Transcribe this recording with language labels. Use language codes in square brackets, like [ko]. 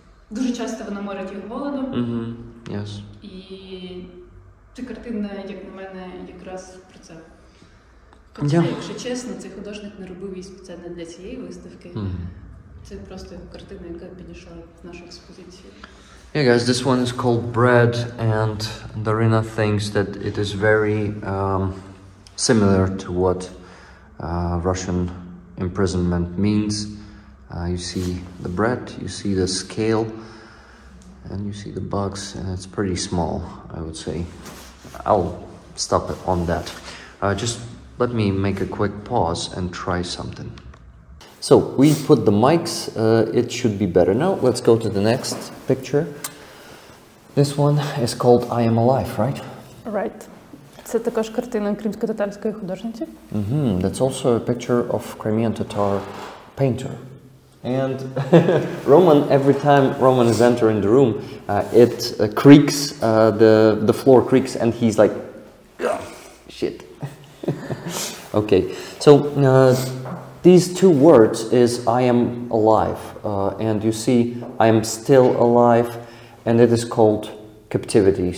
[uk] Дуже часто вона морить їх голодом. [en] Mm-hmm. Yes. [uk] І ця картина, як на мене, якраз про це. Хоча, якщо чесно, цей художник не робив її спеціально для цієї виставки. Mm-hmm. Це просто картина, яка підійшла з нашої експозиції. [en] Yeah, guys, this one is called Bread, and Daryna thinks that it is very similar to what Russian imprisonment means. You see the bread, you see the scale, and you see the box, and it's pretty small, I would say. I'll stop it on that. Just let me make a quick pause and try something. So, we put the mics, it should be better now. Let's go to the next picture. This one is called I Am Alive, right? Right. [uk] Це також картина кримсько-татарської художниці. Mm-hmm. [en] That's also a picture of Crimean Tatar painter. And Roman, every time Roman is entering the room, it creaks, the floor creaks, and he's like, shit. Okay, so these two words is I am alive, and you see I am still alive, and it is called captivity.